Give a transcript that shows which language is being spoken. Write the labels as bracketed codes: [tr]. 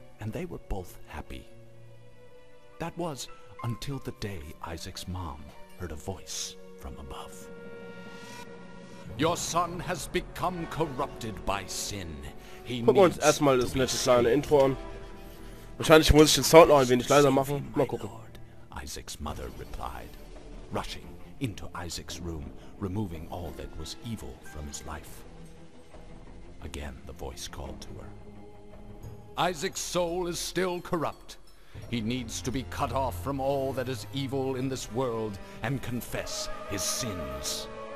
[en] And they were both happy. That was until the day Isaac's mom heard a voice from above. Your son has become corrupted by sin. He needs. [de] Gucken wir uns erstmal das nette kleine Intro an. Wahrscheinlich muss ich den Sound noch ein wenig leiser machen. Mal gucken. [en] Isaac's mother replied, rushing into Isaac's room, removing all that was evil from his life. Again, the voice called to her. Isaac's soul is still corrupt. He needs to be cut off from all that is evil in this world and confess his sins.